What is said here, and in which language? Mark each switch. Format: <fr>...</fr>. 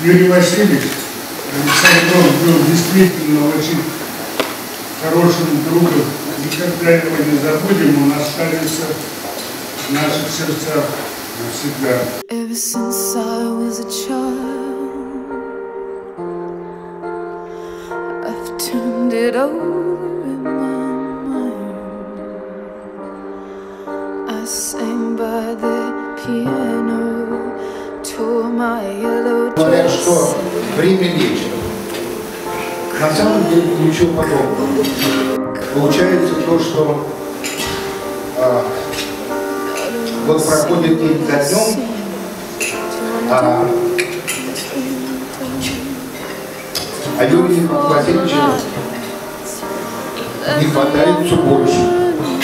<ru>Юрий Васильевич, Александр Иванович был действительно очень хорошим другом. Никогда его не забудем, он останется в наших сердцах навсегда.</ru> <en>Ever since I was a child, I've turned it over in my mind. I sang by the piano, tore my yellow dress.</en> <ru>Что время лечит. На самом деле ничего подобного. Получается то, что вот проходит день за днем, а Юрий Васильевич не хватает все больше.</ru>